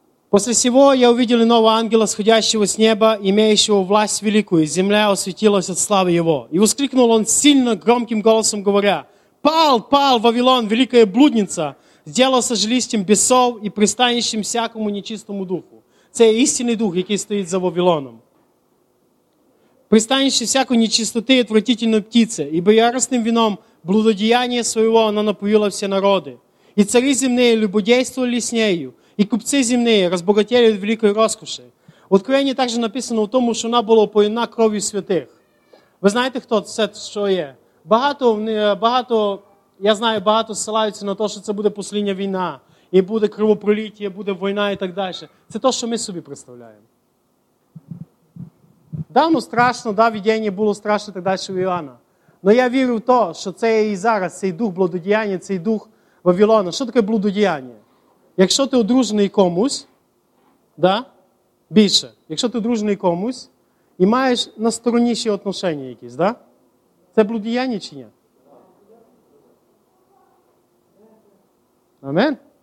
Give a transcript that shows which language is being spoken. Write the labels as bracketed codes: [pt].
[ru] «После сего я увидел иного ангела, сходящего с неба, имеющего власть великую, земля осветилась от славы его. И воскликнул он сильно, громким голосом говоря, «Пал, пал, Вавилон, великая блудница, сделался жилищем бесов и пристанищем всякому нечистому духу». [uk] Це истинный дух, який стоїть за Вавилоном. [ru] «Пристанище всякой нечистоты и отвратительной птицы, ибо яростным вином блудодеяния своего она напоила все народы. И цари земные любодействовали с нею, и купцы земные разбогатели от великой роскоши». В Откровении также написано в том, что она была опоена кровью святых. Вы знаете, кто это все, что есть? [uk] Багато, я знаю, багато [ru] ссылаются на то, что это будет последняя война, и будет кровопролитие, будет война и так дальше. Это то, что мы себе представляем. Да, ну страшно, да, видение было страшно и так дальше у Иоанна. Но я верю в то, что это и сейчас, цей дух блудодеяния, цей дух Вавилона. Что такое блудодеяние? [uk] Якщо ти одружений комусь, да? Більше. Якщо ти одружений комусь і маєш на стороні ще отношення якісь, да? Це блудіяння чи ні? Амен?